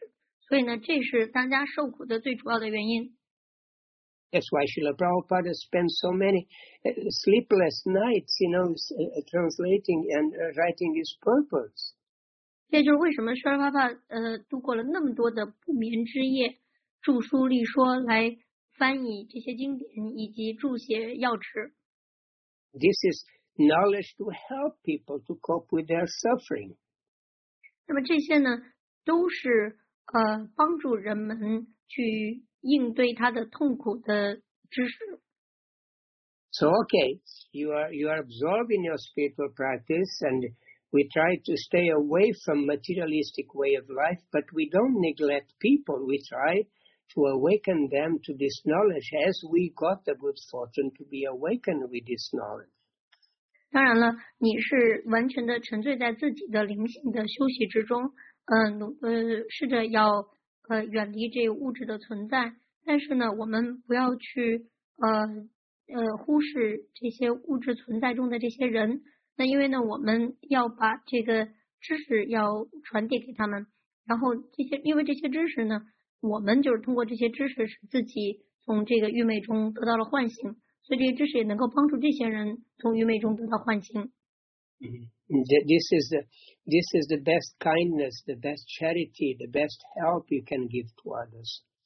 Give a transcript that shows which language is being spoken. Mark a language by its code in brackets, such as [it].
[zh] 那么，因为人们没有知识，所以呢，这是大家受苦的最主要的原因。 [en] That's why Srila Prabhupada spent so many sleepless nights, translating and writing his purpose. [zh] 这就是为什么Srila Prabhupada 度过了那么多的不眠之夜。著书立说来翻译这些经典以及注解要旨。 [en] This is knowledge to help people to cope with their suffering. [zh] 那么这些呢，都是帮助人们去应对他的痛苦的知识。 [en] So okay, you are absorbed in your spiritual practice, and we try to stay away from materialistic way of life, but we don't neglect people. We try to awaken them to this knowledge as we got the good fortune to be awakened with this knowledge. [zh] 当然了，你是完全的沉醉在自己的灵性的休息之中，试着要远离这物质的存在，但是呢，我们不要去忽视这些物质存在中的这些人。那因为呢，我们要把这个知识要传递给他们，然后这些因为这些知识呢，我们就是通过这些知识使自己从这个愚昧中得到了唤醒，所以这些知识也能够帮助这些人从愚昧中得到唤醒。 [en] This is the best kindness, the best charity, the best help you can give to others.